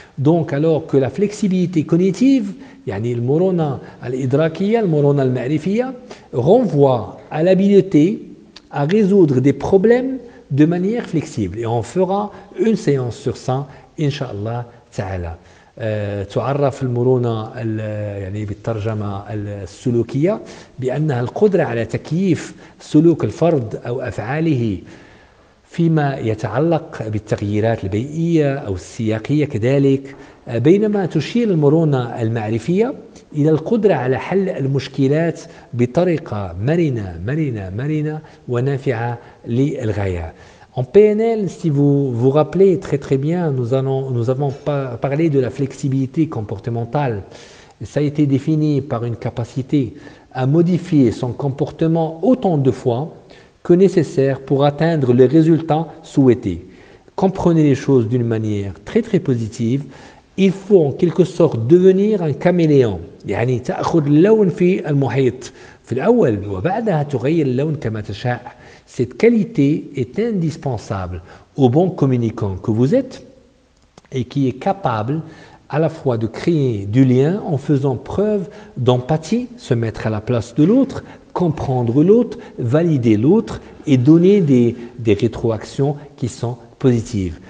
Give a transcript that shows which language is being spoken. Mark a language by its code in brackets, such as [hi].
[fr] Donc, alors que la flexibilité cognitive, yani le morona al-idrakia, le morona al-ma'rifia, renvoie à l'habileté à résoudre des problèmes de manière flexible. Et on fera une séance sur ça, inshallah ta'ala. [ar] تعرف المرونة يعني بالترجمة السلوكية بأنها القدرة على تكييف سلوك الفرد أو أفعاله فيما يتعلق بالتغييرات البيئية أو السياقية كذلك، بينما تشير المرونة المعرفية إلى القدرة على حل المشكلات بطريقة مرنة ونافعة للغاية. [fr] En PNL, si vous vous rappelez très très bien, nous avons parlé de la flexibilité comportementale. Ça a été défini par une capacité à modifier son comportement autant de fois que nécessaire pour atteindre les résultats souhaités. Comprenez les choses d'une manière très très positive. Il faut en quelque sorte devenir un caméléon. [ar] يعني تأخذ اللون في المحيط في الأول وبعدها تغير اللون كما تشاء. [fr] Cette qualité est indispensable au bon communicant que vous êtes et qui est capable à la fois de créer du lien en faisant preuve d'empathie, se mettre à la place de l'autre, comprendre l'autre, valider l'autre et donner des rétroactions qui sont positives.